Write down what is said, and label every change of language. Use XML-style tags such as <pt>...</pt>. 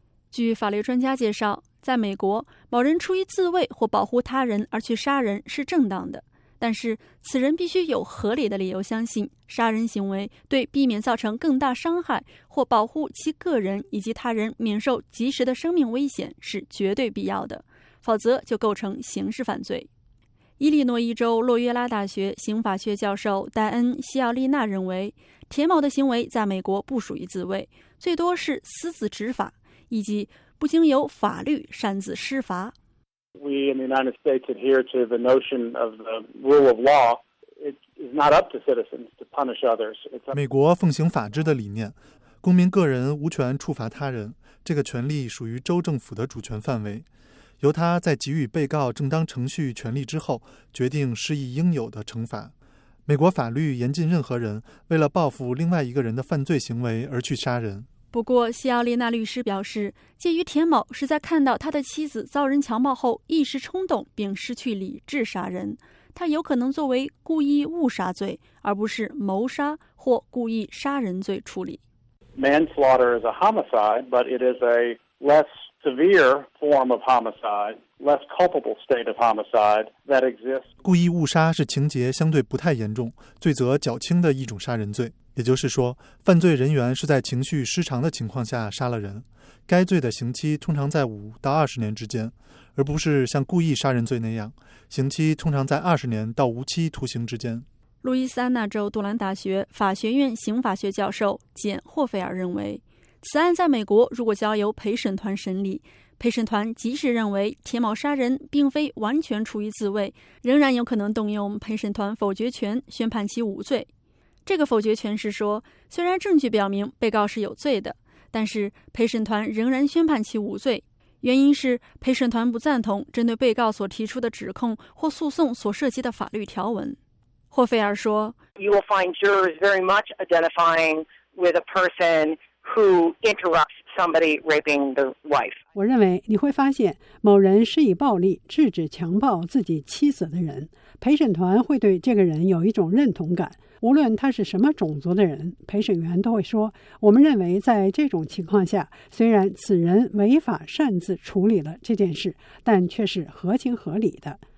<zh>据法律专家介绍，在美国，某人出于自卫或保护他人而去杀人是正当的，但是此人必须有合理的理由相信杀人行为对避免造成更大伤害或保护其个人以及他人免受及时的生命危险是绝对必要的，否则就构成刑事犯罪。伊利诺伊州洛约拉大学刑法学教授戴恩·西奥利娜认为，田某的行为在美国不属于自卫，最多是私自执法以及不经由法律擅自施罚。</zh> <en>We in the United States adhere to the notion of the rule of law. It is not up to citizens to punish others.</en> <zh>美国奉行法治的理念，公民个人无权处罚他人，这个权利属于州政府的主权范围，由他在给予被告正当程序权利之后决定施以应有的惩罚。美国法律严禁任何人为了报复另外一个人的犯罪行为而去杀人。不过西奥利娜律师表示，鉴于田某是在看到他的妻子遭人强暴后一时冲动并失去理智杀人，他有可能作为故意误杀罪而不是谋杀或故意杀人罪处理。</zh> <en>Manslaughter is a homicide, but it is a less severe form of homicide, less culpable state of homicide that exists.</en> <zh>故意误杀是情节相对不太严重，罪责较轻的一种杀人罪，也就是说犯罪人员是在情绪失常的情况下杀了人，该罪的刑期通常在5到20年之间，而不是像故意杀人罪那样刑期通常在20年到无期徒刑之间。路易斯安那州杜兰大学法学院刑法学教授简·霍菲尔认为，此案在美国如果交由陪审团审理，陪审团即使认为田某杀人并非完全出于自卫，仍然有可能动用陪审团否决权宣判其无罪。这个否决权是说，虽然证据表明被告是有罪的，但是陪审团仍然宣判其无罪，原因是陪审团不赞同针对被告所提出的指控或诉讼所涉及的法律条文。霍菲尔说，</zh> <en>You will find jurors very much identifying with a person who interrupts somebody raping the wife.</en> <zh>我认为你会发现某人施以暴力制止强暴自己妻子的人，陪审团会对这个人有一种认同感，无论他是什么种族的人，陪审员都会说，我们认为在这种情况下，虽然此人违法擅自处理了这件事，但却是合情合理的。</zh>